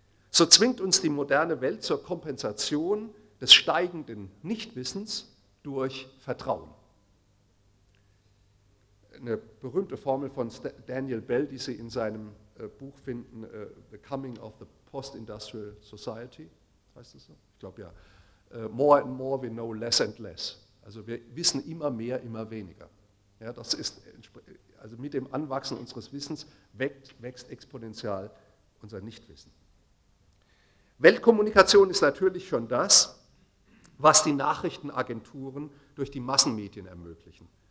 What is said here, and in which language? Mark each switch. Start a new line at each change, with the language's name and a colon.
German: So zwingt uns die moderne Welt zur Kompensation des steigenden Nichtwissens durch Vertrauen. Eine berühmte Formel von Daniel Bell, die Sie in seinem Buch finden, The Coming of the Post-Industrial Society, heißt das so? Ich glaube ja.
English: More and more we know less and less.
German: Also wir wissen immer mehr, immer weniger. Ja, das ist, also mit dem Anwachsen unseres Wissens wächst exponentiell unser Nichtwissen. Weltkommunikation ist natürlich schon das, was die Nachrichtenagenturen durch die Massenmedien ermöglichen.